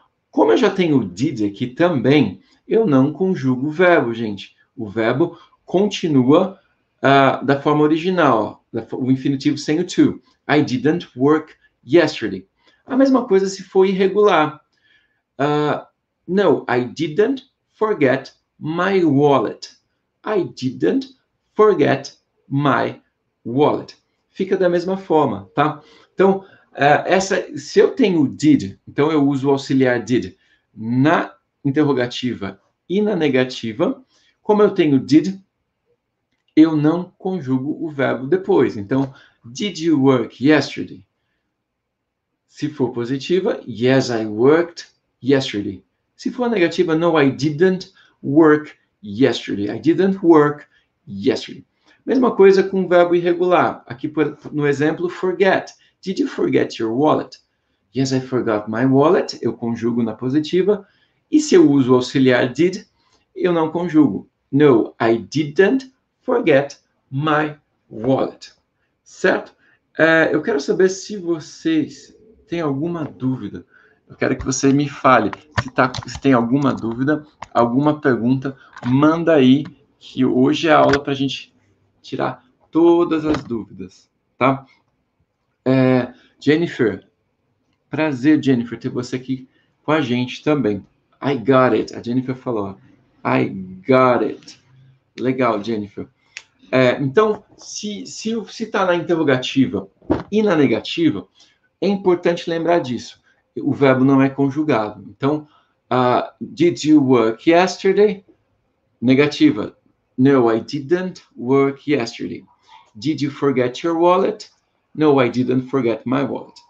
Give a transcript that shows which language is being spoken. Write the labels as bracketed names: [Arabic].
[Portuguese] Como eu já tenho o did aqui também, eu não conjugo o verbo, gente. O verbo continua da forma original, o infinitivo sem o to. [English] I didn't work yesterday. [Portuguese] A mesma coisa se for irregular. [English] No, I didn't forget my wallet. I didn't forget my wallet. [Portuguese] Fica da mesma forma, tá? Então, se eu tenho did, então eu uso o auxiliar did na interrogativa e na negativa. Como eu tenho did, eu não conjugo o verbo depois. [English] Então, did you work yesterday? [Portuguese] Se for positiva, [English] yes, I worked yesterday. [Portuguese] Se for negativa, [English] no, I didn't work yesterday. I didn't work yesterday. [Portuguese] Mesma coisa com o verbo irregular. Aqui no exemplo, forget. [English] Did you forget your wallet? Yes, I forgot my wallet. [Portuguese] Eu conjugo na positiva. E se eu uso o auxiliar did, eu não conjugo. [English] No, I didn't forget my wallet. [Portuguese] Certo? Eu quero saber se vocês têm alguma dúvida. Eu quero que você me fale se tem alguma dúvida, alguma pergunta. Manda aí, que hoje é a aula para a gente tirar todas as dúvidas, tá? Jennifer, prazer, Jennifer, ter você aqui com a gente também. [English] I got it, [Portuguese] a Jennifer falou. [English] I got it. Legal, Jennifer. [Portuguese] Então, se está na interrogativa e na negativa, é importante lembrar disso. O verbo não é conjugado. [English] Então, did you work yesterday? Negativa. No, I didn't work yesterday. Did you forget your wallet? No, I didn't forget my wallet.